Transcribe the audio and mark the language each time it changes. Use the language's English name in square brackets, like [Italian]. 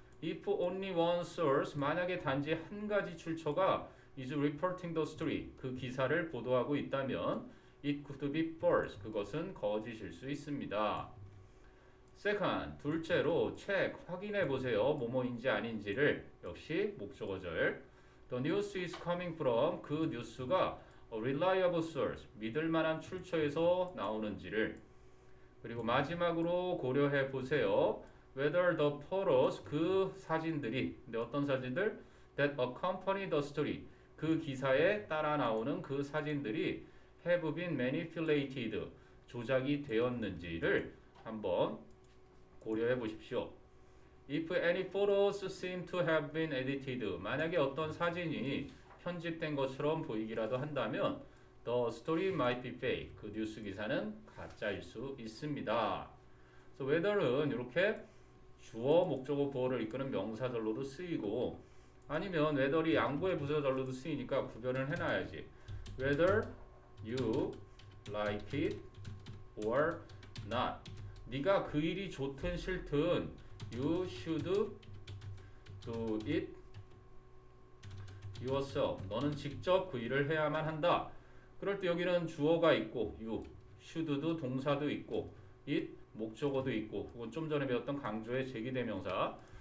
[English] if only one source [Korean] 만약에 단지 한 가지 출처가 is reporting the story 그 기사를 보도하고 있다면 [English] It could be false. [Korean] 그것은 거짓일 수 있습니다. [English] Second, [Korean] 둘째로 책 확인해 보세요. 뭐뭐인지 아닌지를. 역시 목적어절. [English] The news is coming from [Korean] 그 뉴스가 [English] a reliable source, [Korean] 믿을 만한 출처에서 나오는지를. 그리고 마지막으로 고려해 보세요. [English] Whether the photos, [Korean] 그 사진들이, 근데 어떤 사진들? [English] That accompany the story, [Korean] 그 기사에 따라 나오는 그 사진들이 [English] have been manipulated, [Korean] 조작이 되었는지를 한번 고려해 보십시오. [English] If any photos seem to have been edited, [Korean] 만약에 어떤 사진이 편집된 것처럼 보이기라도 한다면, [English] the story might be fake, [Korean] 그 뉴스 기사는 가짜일 수 있습니다. So whether는 이렇게 주어, 목적어, 부호를 이끄는 명사절로도 쓰이고, 아니면 whether이 양보의 부사절로도 쓰이니까 구별을 해놔야지. [English] Whether you like it or not. [Korean] 네가 그 일이 좋든 싫든, [English] you should do it yourself. [Korean] 너는 직접 그 일을 해야만 한다. 그럴 때 여기는 주어가 있고, you, should도 동사도 있고, it, 목적어도 있고, 그건 좀 전에 배웠던 강조의 제기대명사.